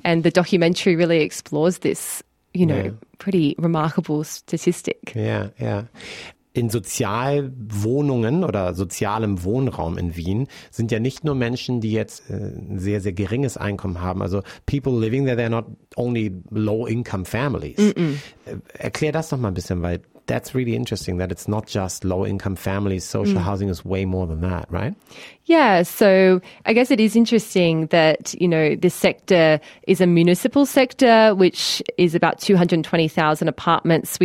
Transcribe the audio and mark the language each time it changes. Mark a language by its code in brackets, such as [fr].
[en] And the documentary really explores this, pretty remarkable statistic. Yeah. [de] In Sozialwohnungen oder sozialem Wohnraum in Wien sind ja nicht nur Menschen, die jetzt ein sehr, sehr geringes Einkommen haben. [en] Also people living there, they're not only low-income families. Mm-mm. [de] Erklär das doch mal ein bisschen, weil [en] that's really interesting that it's not just low-income families. Social housing is way more than that, right? Yeah, so I guess it is interesting that, this sector is a municipal sector, which is about 220,000 apartments.